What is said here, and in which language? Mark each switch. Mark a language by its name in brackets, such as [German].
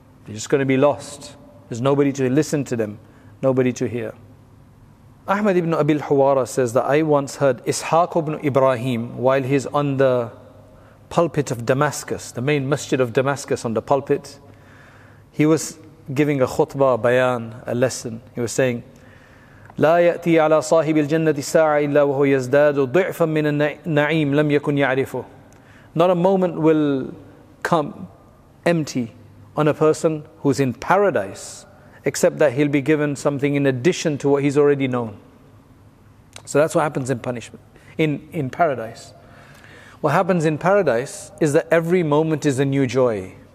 [English] They're just going to be lost. There's nobody to listen to them, nobody to hear. Ahmad ibn Abi al-Huwara says that I once heard Ishaq ibn Ibrahim, while he's on the pulpit of Damascus, the main masjid of Damascus on the pulpit, he was giving a khutbah, a bayan, a lesson. He was saying, [Arabic] لا يأتي على صاحب الجنة ساعة إلا وهو يزداد ضعفا من النعيم لم يكن يعرفه. [English] Not a moment will come empty on a person who's in paradise, except that he'll be given something in addition to what he's already known. So that's what happens in punishment, in paradise. What happens in paradise is that every moment is a new joy.